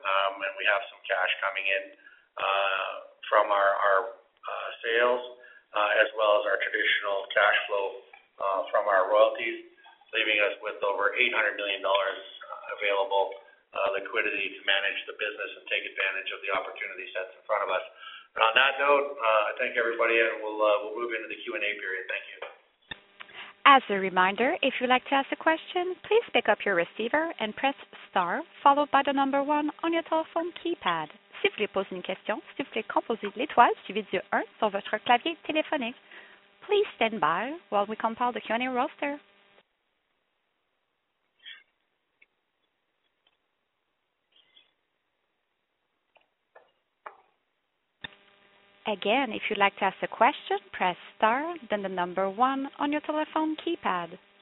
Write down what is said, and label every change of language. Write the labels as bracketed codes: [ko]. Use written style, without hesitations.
[en] And we have some cash coming in from our sales, as well as our traditional cash flow from our royalties, leaving us with over $800 million available liquidity to manage the business and take advantage of the opportunity sets in front of us. But on that note, I thank everybody, and we'll move into the Q&A period. Thank you. As a reminder, if you'd like to ask a question, please pick up your receiver and press star followed by the number 1 on your telephone keypad. [fr] Si vous voulez poser une question, s'il vous plaît, composez l'étoile suivi du 1 sur votre clavier téléphonique. [en] Please stand by while we compile the Q&A roster. Again, if you'd like to ask a question, press star, then the number 1 on your telephone keypad.